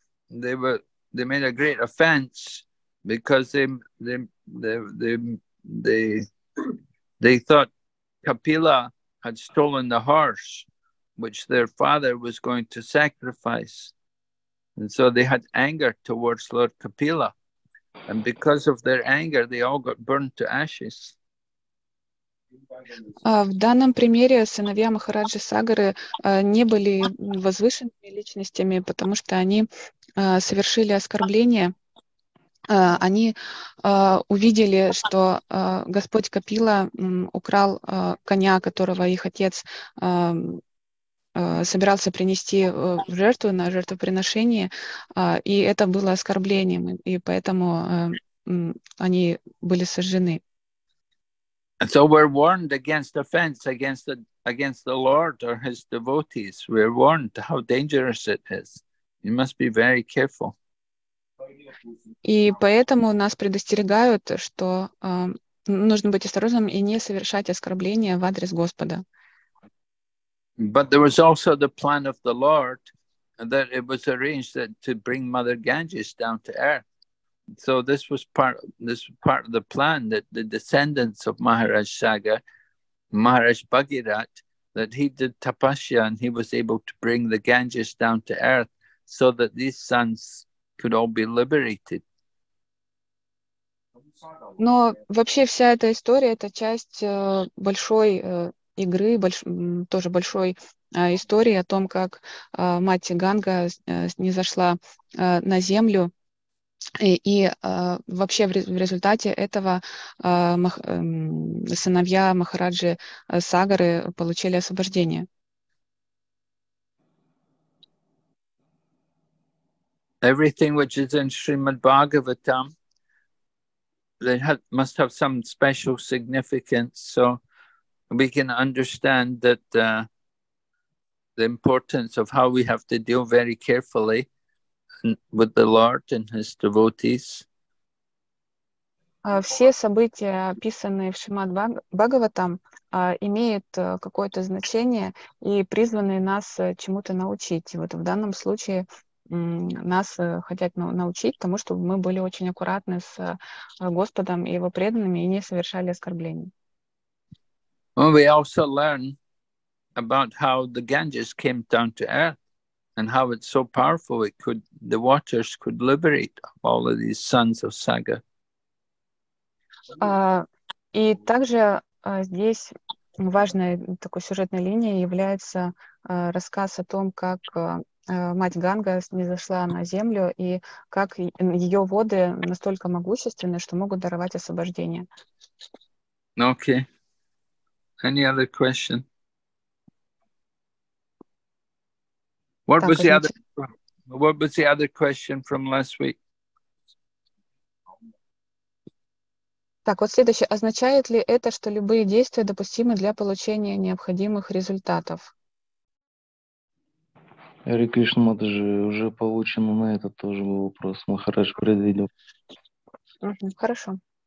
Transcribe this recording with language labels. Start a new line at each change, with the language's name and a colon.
English: They made a great offense because they thought Kapila had stolen the horse which their father was going to sacrifice, and so they had anger towards Lord Kapila, and because of their anger they all got burned to ashes.
Russian: В данном примере сыновья Махараджи Сагары не были возвышенными личностями, потому что они совершили оскорбление. Они увидели, что Господь Капила украл коня, которого их отец собирался принести в жертву на жертвоприношение, и это было оскорблением, и поэтому они были сожжены.
English: And so we're warned against offense against the Lord or his devotees. We're warned how dangerous it is. You must be very careful.
Russian: И поэтому нас предостерегают, что нужно быть осторожным и не совершать оскорбления в адрес Господа.
English: But there was also the plan of the Lord that it was arranged that to bring Mother Ganges down to earth. So this was part of the plan that the descendants of Maharaj Sagar, Maharaj Bhagirath, that he did tapasya and he was able to bring the Ganges down to earth so that these sons could all be liberated.
Russian: Но вообще вся эта история — это часть большой игры, тоже большой истории о том, как мать Ганга снизошла на землю. И вообще в результате этого сыновья Махараджи Сагары получили освобождение.
English: Everything which is in Srimad Bhagavatam, they must have some special significance, so we can understand that the importance of how we have to deal very carefully with the Lord and his devotees.
Russian: Все события, описанные в Шримад Бхагаватам, имеют какое-то значение и призваны нас чему-то научить. И вот в данном случае нас хотят научить тому, чтобы мы были очень аккуратны с Господом и его преданными и не совершали оскорблений.
English: Well, we also learn about how the Ganges came down to earth and how it's so powerful it could, the waters could liberate all of these sons of Saga.
Russian: И также здесь важной такой сюжетной линией является рассказ о том, как мать Ганга снизошла на землю и как ее воды настолько могущественны, что могут даровать освобождение.
English: Okay. Any other question? What
Russian: так,
English: was the
Russian: значит...
English: other What was the other question from last week?
Russian: Так, вот следующее. Означает ли это, что любые действия допустимы для получения необходимых результатов? Хари Кришна Мадхаджи, уже получено на это тоже был вопрос. Махарадж предвидел. Хорошо.